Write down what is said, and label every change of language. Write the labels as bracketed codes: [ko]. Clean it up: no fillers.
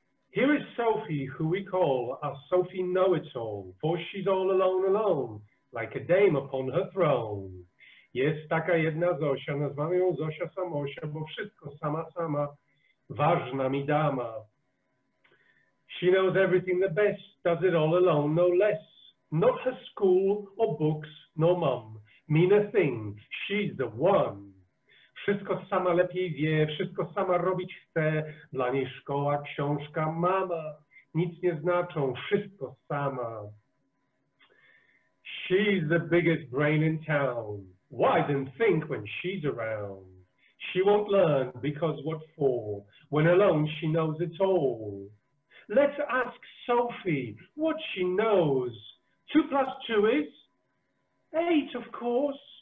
[en] Here is Sophie, who we call our Sophie Know-It-All, for she's all alone, alone, like a dame upon her throne. [pl] Jest taka jedna Zosia, nazwamy ją Zosia Samosia, bo wszystko sama, sama, ważna mi dama. [en] She knows everything the best, does it all alone, no less. Not her school, or books, nor mum. Mean a thing, she's the one. [pl] Wszystko sama lepiej wie, wszystko sama robić chce. Dla niej szkoła, książka, mama. Nic nie znaczą, wszystko sama. [en] She's the biggest brain in town. Why then think when she's around? She won't learn, because what for? When alone she knows it all. Let's ask Sophie what she knows. 2 plus 2 is 8, of course.